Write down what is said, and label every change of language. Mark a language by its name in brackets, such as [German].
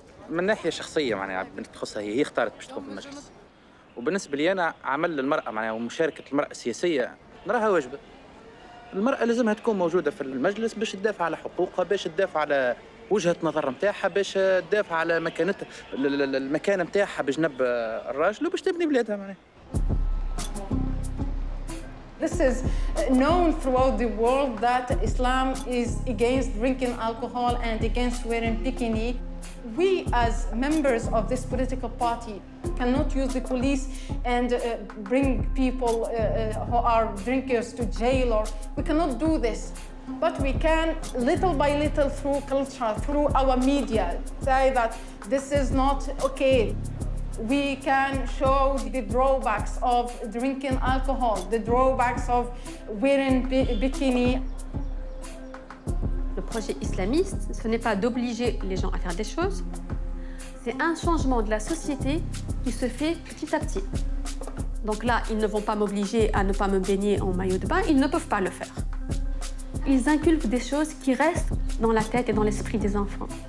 [Arabic] من ناحية شخصية يعني بنت تخصها هي اختارت باش تكون في المجلس وبالنسبة لي أنا عمل للمرأة معناها ومشاركة المرأة السياسية نراها واجبة المرأة لازمها تكون موجودة في المجلس باش تدافع على حقوقها باش تدافع على وجهة نظر متاعها باش تدافع على مكانتها المكانة متاعها بجنب الراجل وباش تبني بلادها معناها [English] This is known throughout the world that Islam is against drinking alcohol and against wearing bikini. We as members of this political party cannot use the police and bring people who are drinkers to jail or we cannot do this. But we can little by little through culture, through our media, say that this is not okay. We can show the drawbacks of drinking alcohol, the drawbacks of wearing bikini. [French] Le projet islamiste, ce n'est pas d'obliger les gens à faire des choses, c'est un changement de la société qui se fait petit à petit. Donc là, ils ne vont pas m'obliger à ne pas me baigner en maillot de bain, ils ne peuvent pas le faire. Ils inculquent des choses qui restent dans la tête et dans l'esprit des enfants.